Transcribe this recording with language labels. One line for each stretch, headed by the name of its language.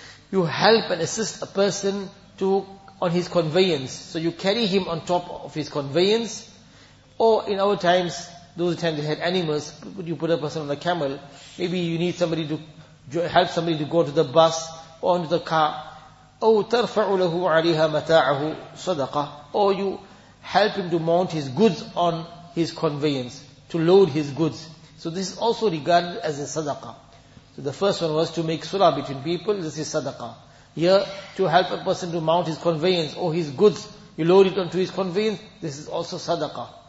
English: You help and assist a person to on his conveyance. So you carry him on top of his conveyance. Or in our times, those times they had animals, you put a person on a camel, maybe you need somebody to help somebody to go to the bus or onto the car.
Arabic: أو ترفع له عليها متاعه صدقة.
English: Or you help him to mount his goods on his conveyance, to load his goods. So this is also regarded as a sadaqah. So the first one was to make surah between people, this is sadaqah. Here, to help a person to mount his conveyance or his goods, you load it onto his conveyance, this is also sadaqah.